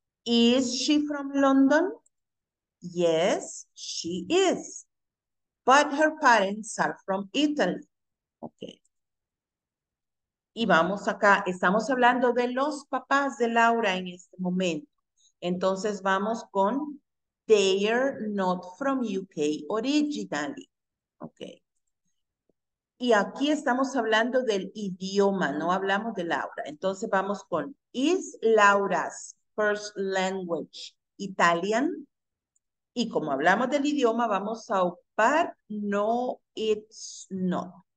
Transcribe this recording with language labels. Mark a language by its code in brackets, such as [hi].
[en] Is she from London? Yes, she is. But her parents are from Italy. Okay. [es] Y vamos acá, estamos hablando de los papás de Laura en este momento. Entonces vamos con, [en] they are not from UK originally. Ok. [es] Y aquí estamos hablando del idioma, no hablamos de Laura. Entonces vamos con, [en] is Laura's first language Italian? [es] Y como hablamos del idioma, vamos a ocupar, [en] no, it's not.